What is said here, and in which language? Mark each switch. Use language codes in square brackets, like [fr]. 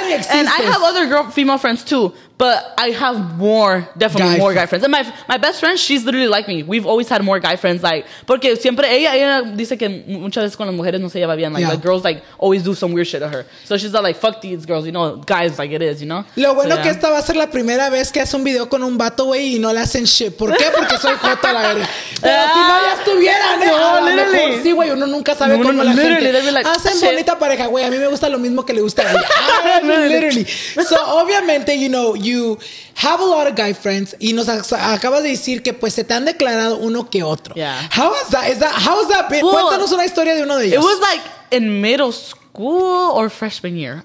[en] And I have other girl, female friends too, but I have definitely more guy friends. And my best friend, she's literally like me. We've always had more guy friends. [es] Like, porque siempre ella dice que muchas veces con las mujeres no se lleva bien. [en] Like, the girls, like, always do some weird shit to her. So she's all like, fuck these girls, you know, guys, like, it is, you know? [es] Lo bueno que esta va a ser la primera vez que hace un video con un vato, güey, y no le hacen shit. ¿Por qué? Porque soy jota, la verdad. Pero si no, ya estuvieran. Sí, güey, uno nunca sabe cómo la gente like, hacen shit. Bonita pareja, güey. A mí me gusta lo mismo que le gusta a ella. Literally. So, obviamente, you know, [en] you have a lot of guy friends [es] y nos acabas de decir que pues se te han declarado uno que otro. [en] Yeah. How was that? How's that been? [es] Well, cuéntanos una historia de uno de ellos. [en] It was like in middle school or freshman year.